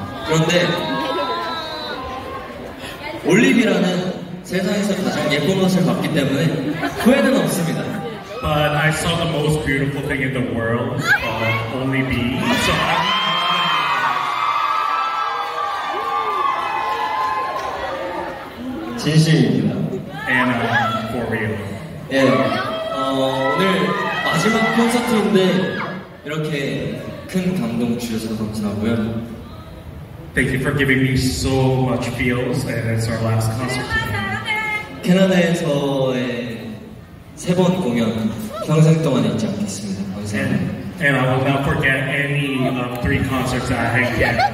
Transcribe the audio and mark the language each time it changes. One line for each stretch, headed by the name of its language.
Korean: 그런데 올리브라는 세상에서 가장 예쁜 것을 봤기 때문에 후회는 없습니다.
English: But I saw the most beautiful thing in the world, only me. So I...
Korean: 진실입니다.
English: And I'm for real.
Korean: 예, 오늘 마지막 콘서트인데 이렇게 큰 감동 주셔서 감사하고요.
English: Thank you for giving me so much feels, and it's our last concert today.
Korean: 캐나다에서의 세 번 공연 평생 동안 잊지 않겠습니다. 감사합니다.
English: And I will not forget any of three concerts I had yet.